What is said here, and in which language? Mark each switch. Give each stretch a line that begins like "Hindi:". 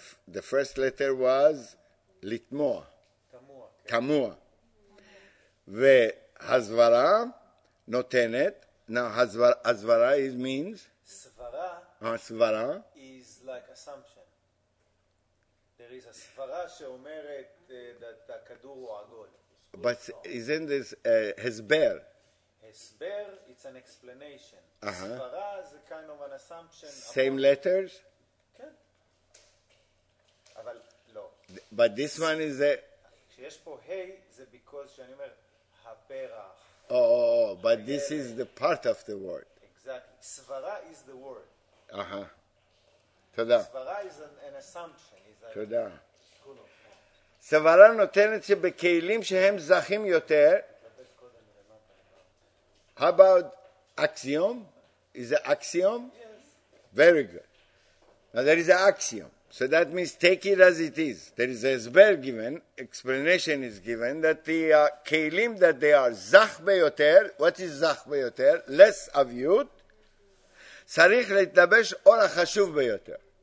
English: The first letter was לתמוע.
Hebrew: תמוע. והסברה נותנת.
English: Now, הסברה is means?
Hebrew: סברה. הסברה.
English: Is like assumption. There is a
Hebrew: סברה שאומרת that הכדור הוא עגול.
English: But isn't this Hesber? Hesber, it's an explanation. Uh-huh. Svara is a kind of an assumption. Same letters?
Hebrew: אבל, לא.
English: But this one is a...
Hebrew: כשיש פה hey, זה
English: because
Hebrew: שאני אומר, הפרח.
English: Oh, but this is the part of the word. Exactly. Svara is the word.
Hebrew: תודה.
English: Svara is an assumption.
Hebrew: תודה. סברה נותנת שבכלים שהם זכים יותר.
English: How about axiom? Is it axiom? Yes. Very good. Now there is an axiom. So that means take it as it is. There is a hesber given, explanation is given, that the כלים that they are
Hebrew: זך ביותר,
English: what is זך ביותר? Less of youth.
Hebrew: צריך להתלבש אור החשוב ביותר.